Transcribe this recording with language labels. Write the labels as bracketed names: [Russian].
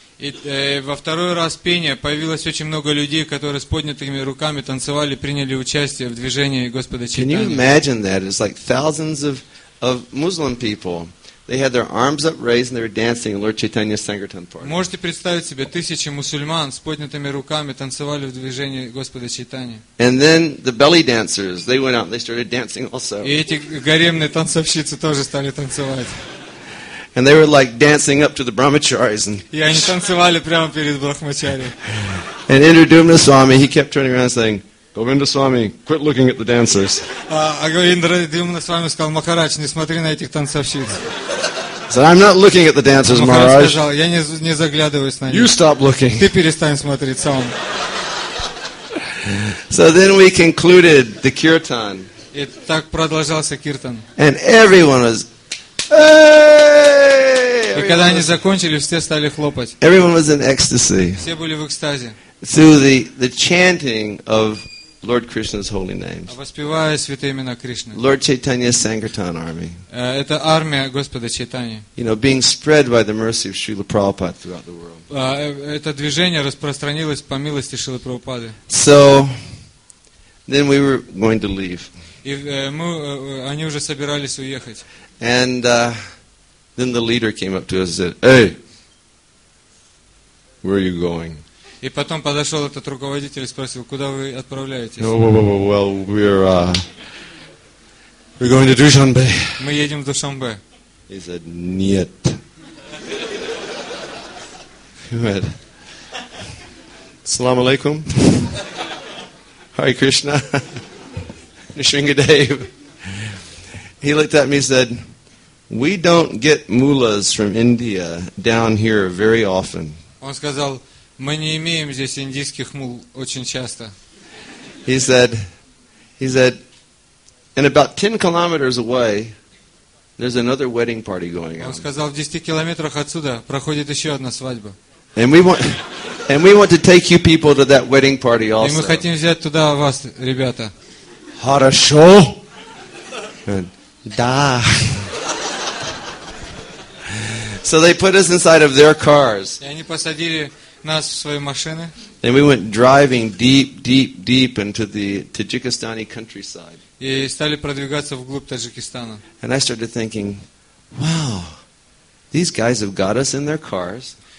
[Russian] И во второй раз пение появилось очень много людей, которые с поднятыми руками танцевали, приняли участие в движении Господа Чайтаньи. [English] Can you imagine that? It's like thousands of Muslim people. They had their arms up raised and they were dancing in Lord Chaitanya's Sankirtan party. [Russian] Можете представить себе, тысячи мусульман с поднятыми руками танцевали в движении Господа Чайтаньи. [English] And then the belly dancers, they went out and they started dancing also. [Russian] И эти гаремные танцовщицы тоже стали танцевать. [English] And they were like dancing up to the brahmacharis. [Russian] И они танцевали прямо перед брахмачари. [English] And Indra Dumna Swami, he kept turning around saying, Govinda Swami, quit looking at the dancers. [Russian] Govinda Dumna Swami сказал: Махарадж, не смотри на этих танцовщиц. [English] So I'm not looking at the dancers, Maharaj. [Russian] Сказал: я не заглядываюсь на них. [English] You stop looking. [Russian] Ты перестань смотреть сам. [English] So then we concluded the kirtan. [Russian] И так продолжался киртан. [English] And everyone was, hey! [Russian] И когда они закончили, все стали хлопать. [English] Everyone was in ecstasy. [Russian] Все были в экстазе. [English] Through the chanting of Lord Krishna's holy names. [Russian] Воспевая святые имена Кришны. [English] Lord Chaitanya's Sankirtan army. [Russian] Это армия Господа Чайтаньи. [English] You know, being spread by the mercy of Srila Prabhupada throughout the world. [Russian] Это движение распространилось по милости Шрилы Прабхупады. [English] So then we were going to leave. [Russian] И мы они уже собирались уехать. [English] And then the leader came up to us and said, "Hey, where are you going?" [Russian] И потом подошел этот руководитель и спросил: куда вы отправляетесь? [English] Well, we're going to Dushanbe. [Russian] Мы едем в Душанбе. [English] He said, [Russian] нет. Салам алейкум. Hare Krishna. Нишрингадев. [English] He looked at me and said, we don't get mullahs from India down here very often. [Russian] Он сказал: мы не имеем здесь индийских мул очень часто. [English] He said, and about 10 kilometers away, there's another wedding party going on. [Russian] Он сказал, в 10 километрах отсюда проходит еще одна свадьба. [English] And we want to take you people to that wedding party also. [Russian] И мы хотим взять туда вас, ребята. Хорошо. Да. [English] So they put us inside of their cars. [Russian] И они посадили нас в свои машины. [English] And we went driving deep, deep, deep into the Tajikistani countryside. [Russian] И стали продвигаться вглубь Таджикистана. [English] And I started thinking, wow, these guys have got us in their cars.